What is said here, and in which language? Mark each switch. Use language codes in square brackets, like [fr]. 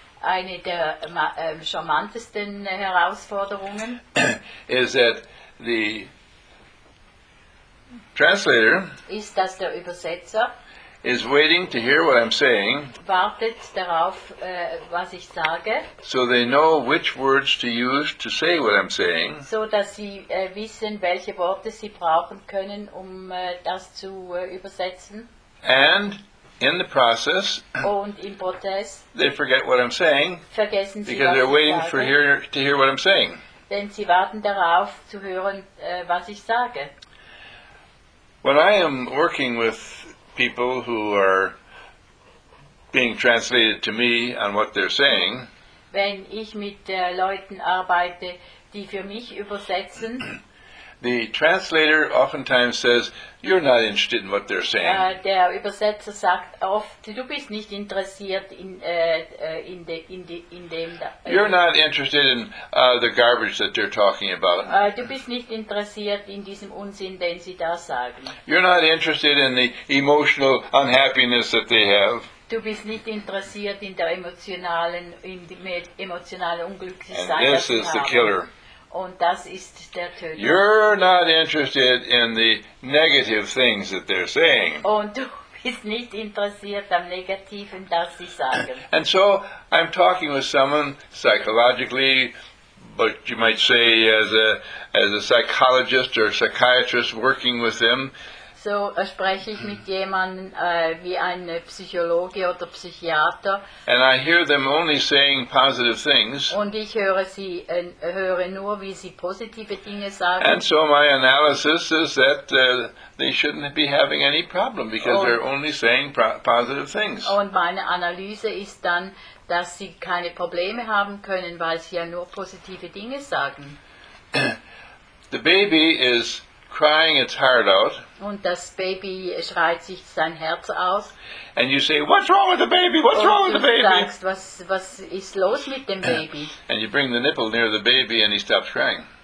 [de] Eine der charmantesten Herausforderungen [en] is that the translator [de] ist, dass der Übersetzer [en] is waiting to hear what I'm saying, [de] wartet darauf, was ich sage, [en] so they know which words to use to say what I'm saying, [de] so dass sie wissen, welche Worte sie brauchen können, um das zu übersetzen. [en] And in the process, [de] und im Prozess, [en] they forget what I'm saying, [de] vergessen sie, [en] because they're waiting [de] sagen, [en] for to hear what I'm saying. [de] Denn sie warten darauf, zu hören, was ich sage. [en] When I am working with people who are being translated to me on what they're saying, [de] wenn ich mit Leuten arbeite, die für mich übersetzen, [en] the translator oftentimes says, you're not interested in what they're saying. [de] Der Übersetzer sagt oft, du bist nicht interessiert in dem. [en] You're not interested in the garbage that they're talking about. [de] Du bist nicht interessiert in diesem Unsinn, den sie da sagen. [en] You're not interested in the emotional unhappiness that they have. [de] Du bist nicht interessiert in der emotionalen, in dem emotionalen Unglücklichsein, das sie haben. [en] And this is the killer. [de] Und das ist der Töter. [en] You're not interested in the negative things that they're saying. [de] Und du bist nicht interessiert am Negativen, das sie sagen. [en] And so I'm talking with someone psychologically, but you might say as a psychologist or psychiatrist working with them. [de] So spreche ich mit jemandem wie ein Psychologe oder Psychiater. [en] And I hear them only saying positive things. [de] Und ich höre sie höre nur, wie sie positive Dinge sagen. [en] And so my analysis is that they shouldn't be having any problem, because they're only saying positive things. [de] Und meine Analyse ist dann, dass sie keine Probleme haben können, weil sie ja nur positive Dinge sagen. [en] The baby is crying its heart out. [de] Und das Baby schreit sich sein Herz aus. [en] And you say, what's wrong with the baby? What's [de] und [en] wrong with the baby? [de] Du sagst, was ist los mit dem Baby? [en] And you bring the nipple near the baby and he stops crying.